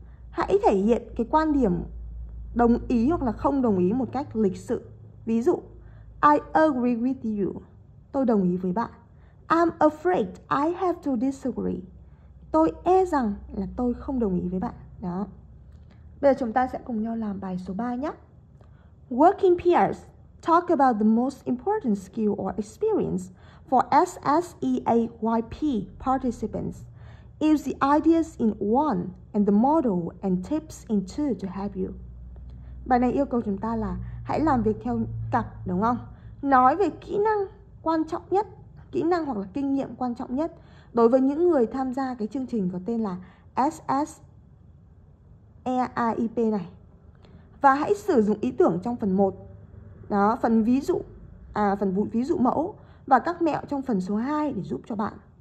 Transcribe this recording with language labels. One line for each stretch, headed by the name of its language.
Vietnamese: Hãy thể hiện cái quan điểm đồng ý hoặc là không đồng ý một cách lịch sự. Ví dụ,
English: I agree with you.
Vietnamese: Tôi đồng ý với bạn.
English: I'm afraid I have to disagree.
Vietnamese: Tôi e rằng là tôi không đồng ý với bạn. Đó. Bây giờ chúng ta sẽ cùng nhau làm bài số 3 nhé.
English: Working peers, talk about the most important skill or experience for SSEAYP participants. Use the ideas in 1 and the model and tips in 2 to help you.
Vietnamese: Bài này yêu cầu chúng ta là hãy làm việc theo cặp, đúng không? Nói về kỹ năng quan trọng nhất, kỹ năng hoặc là kinh nghiệm quan trọng nhất đối với những người tham gia cái chương trình có tên là SSEAYP này. Và hãy sử dụng ý tưởng trong phần 1. Đó, phần ví dụ, phần ví dụ mẫu và các mẹo trong phần số 2 để giúp cho bạn.